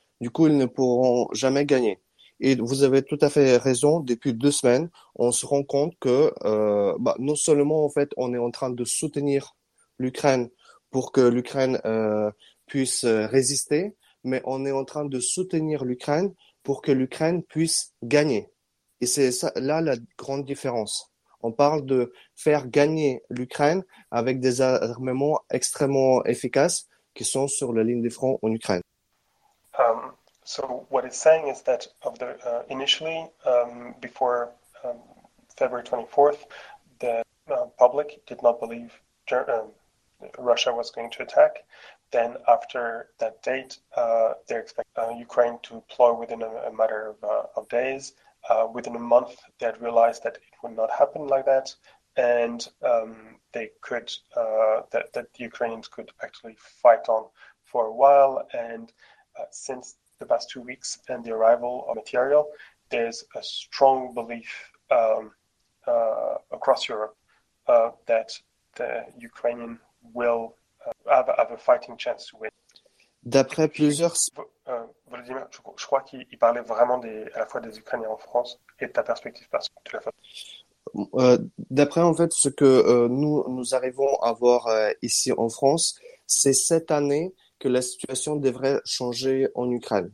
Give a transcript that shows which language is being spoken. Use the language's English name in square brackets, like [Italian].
[French] Du coup, ils ne pourront jamais gagner. Et vous avez tout à fait raison, depuis 2 semaines, on se rend compte que non seulement en fait on est en train de soutenir l'Ukraine pour que l'Ukraine puisse résister, mais on est en train de soutenir l'Ukraine pour que l'Ukraine puisse gagner. Et c'est ça là la grande différence. On parle de faire gagner l'Ukraine avec des armements extrêmement efficaces qui sont sur la ligne de front en Ukraine. [English] So what it's saying is that initially, before February 24th, the public did not believe Russia was going to attack. Then after that date, they're expecting Ukraine to deploy within a matter of days. Within a month, they had realized that it would not happen like that, and they could that the Ukrainians could actually fight on for a while. And since the past 2 weeks and the arrival of material, there's a strong belief across Europe that the Ukrainian will have a fighting chance to win. [French] D'après plusieurs... Volodymyr, je crois qu'il parlait vraiment des, à la fois des Ukrainiens en France et de ta perspective de la France. D'après en fait ce que nous arrivons à voir ici en France, c'est cette année que la situation devrait changer en Ukraine.